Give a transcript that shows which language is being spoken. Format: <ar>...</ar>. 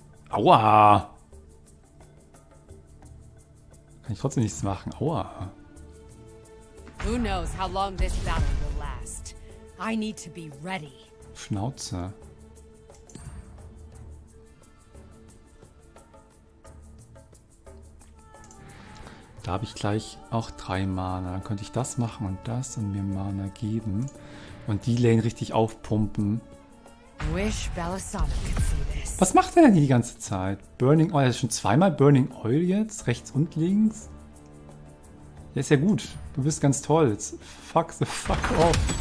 <de>Aua! Kann ich trotzdem nichts machen. Aua!</de> <en>Who knows how long this battle will last? I need to be ready.</en> <de>Schnauze. Da habe ich gleich auch 3 Mana. Könnte ich das machen und das und mir Mana geben und die Lane richtig aufpumpen.</de> <en>Wish Belisana could see this.</en> <de>Was macht er denn hier die ganze Zeit? Burning Oil, er ist schon zweimal Burning Oil jetzt, rechts und links. Ja, ist ja gut. Du bist ganz toll. Jetzt</de> <en>fuck the fuck off.</en>